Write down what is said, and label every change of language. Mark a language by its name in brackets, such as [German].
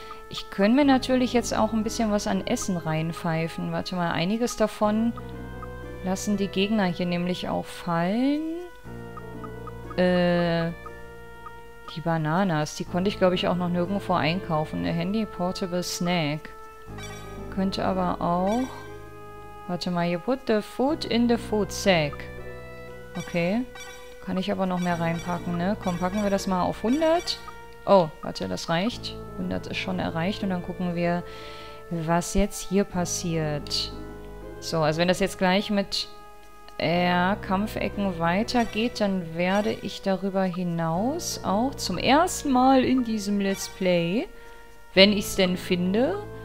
[German] Ich könnte mir natürlich jetzt auch ein bisschen was an Essen reinpfeifen. Warte mal, einiges davon lassen die Gegner hier nämlich auch fallen. Die Bananas, die konnte ich glaube ich auch noch nirgendwo einkaufen. Eine Handy Portable Snack. Könnte aber auch... Warte mal, [English] you put the food in the food sack. [German] Okay. Kann ich aber noch mehr reinpacken, ne? Komm, packen wir das mal auf 100. Oh, warte, das reicht. 100 ist schon erreicht und dann gucken wir, was jetzt hier passiert. So, also wenn das jetzt gleich mit Kampfecken weitergeht, dann werde ich darüber hinaus auch zum ersten Mal in diesem Let's Play, wenn ich es denn finde.